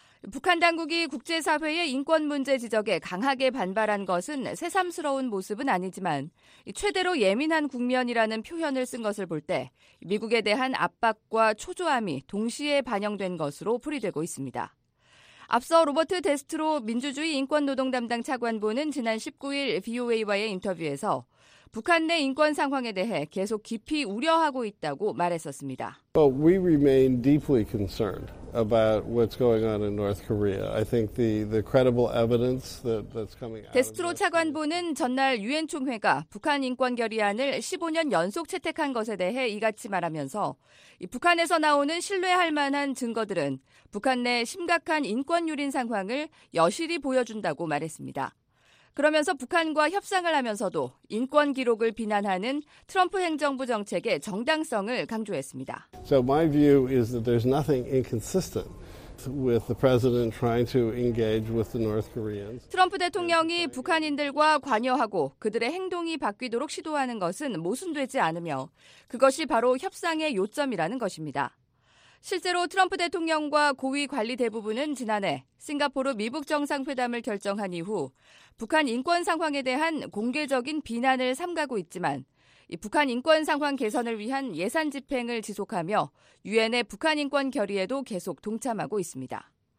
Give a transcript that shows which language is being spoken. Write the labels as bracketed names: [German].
[Korean] 북한 당국이 국제사회의 인권 문제 지적에 강하게 반발한 것은 새삼스러운 모습은 아니지만 최대로 예민한 국면이라는 표현을 쓴 것을 볼 때 미국에 대한 압박과 초조함이 동시에 반영된 것으로 풀이되고 있습니다. 앞서 로버트 데스트로 민주주의 인권노동담당 차관보는 지난 19일 VOA와의 인터뷰에서 북한 내 인권 상황에 대해 계속 깊이 우려하고 있다고 말했었습니다. [English] Well, we remain deeply concerned about what's going on in North Korea. I think the credible evidence that's coming out. [Korean] 데스트로 차관보는 전날 유엔 총회가 북한 인권 결의안을 15년 연속 채택한 것에 대해 이같이 말하면서 북한에서 나오는 신뢰할 만한 증거들은 북한 내 심각한 인권 유린 상황을 여실히 보여준다고 말했습니다. 그러면서 북한과 협상을 하면서도 인권 기록을 비난하는 트럼프 행정부 정책의 정당성을 강조했습니다. [English] So my view is that there's nothing inconsistent with the president trying to engage with the North Koreans. [Korean] 트럼프 대통령이 북한인들과 관여하고 그들의 행동이 바뀌도록 시도하는 것은 모순되지 않으며 그것이 바로 협상의 요점이라는 것입니다. 실제로 트럼프 대통령과 고위 관리 대부분은 지난해 싱가포르 미북 정상회담을 결정한 이후 북한 인권 상황에 대한 공개적인 비난을 삼가고 있지만 이 북한 인권 상황 개선을 위한 예산 집행을 지속하며 유엔의 북한 인권 결의에도 계속 동참하고 있습니다.